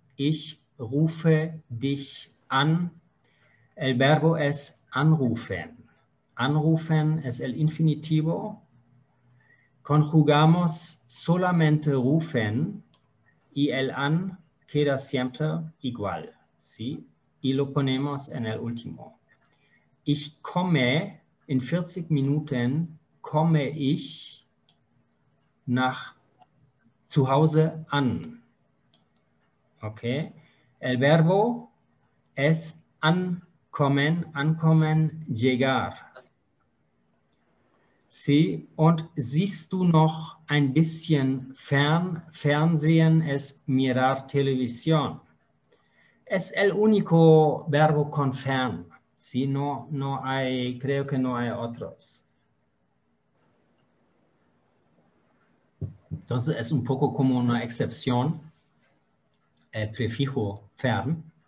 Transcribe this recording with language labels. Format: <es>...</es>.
<de>Ich rufe dich an. El verbo es anrufen.</de> <es>Anrufen es el infinitivo. Conjugamos solamente rufen y el an queda siempre igual, ¿sí? Y lo ponemos en el último.</es> <de>Ich komme in 40 Minuten, komme ich nach zu Hause an. Okay.</de> <es>El verbo es ankommen, llegar.</es> <de>Sí. Und siehst du noch ein bisschen fern?</de> <es>Fernsehen es mirar televisión. Es el único verbo con fern. Sí, no hay, creo que no hay otros. Entonces es un poco como una excepción, el prefijo fern.</es>